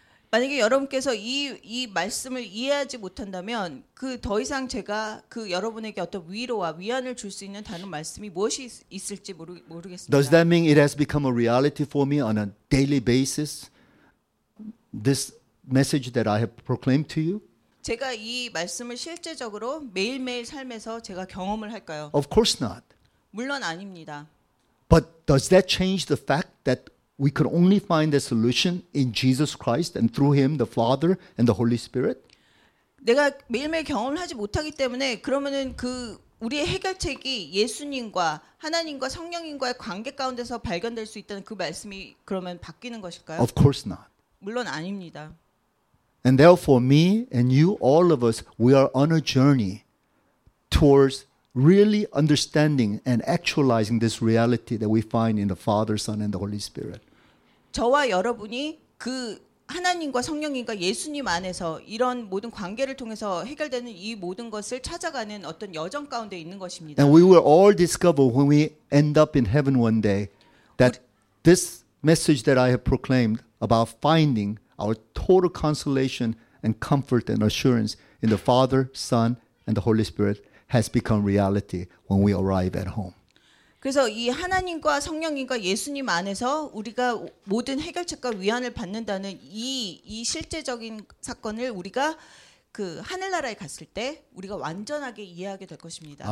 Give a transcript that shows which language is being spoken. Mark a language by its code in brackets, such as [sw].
[ko] 만약에 여러분께서 이 말씀을 이해하지 못한다면 그 더 이상 제가 그 여러분에게 어떤 위로와 위안을 줄 수 있는 다른 말씀이 무엇이 있을지 모르겠습니다. [en] Does that mean it has become a reality for me on a daily basis? This message that I have proclaimed to you? [ko] 제가 이 말씀을 실제적으로 매일매일 삶에서 제가 경험을 할까요? [en] Of course not. [ko] 물론 아닙니다. [en] But does that change the fact that we could only find the solution in Jesus Christ and through him the Father and the Holy Spirit? [ko] 내가 매일매일 경험을 하지 못하기 때문에 그러면은 그 우리의 해결책이 예수님과 하나님과 성령님과의 관계 가운데서 발견될 수 있다는 그 말씀이 그러면 바뀌는 것일까요? [en] Of course not. [ko] 물론 아닙니다. [en] And therefore, me and you, all of us, we are on a journey towards really understanding and actualizing this reality that we find in the Father, Son, and the Holy Spirit. [ko] 저와 여러분이 그 하나님과 성령님과 예수님 안에서 이런 모든 관계를 통해서 해결되는 이 모든 것을 찾아가는 어떤 여정 가운데 있는 것입니다. [en] And we will all discover when we end up in heaven one day that this message that I have proclaimed about finding our total consolation and comfort and assurance in the Father, Son, and the Holy Spirit has become reality when we arrive at home. [ko] 그래서 이 하나님과 성령님과 예수님 안에서 우리가 모든 해결책과 위안을 받는다는 이 실제적인 사건을 우리가 그 하늘나라에 갔을 때 우리가 완전하게 이해하게 될 것입니다.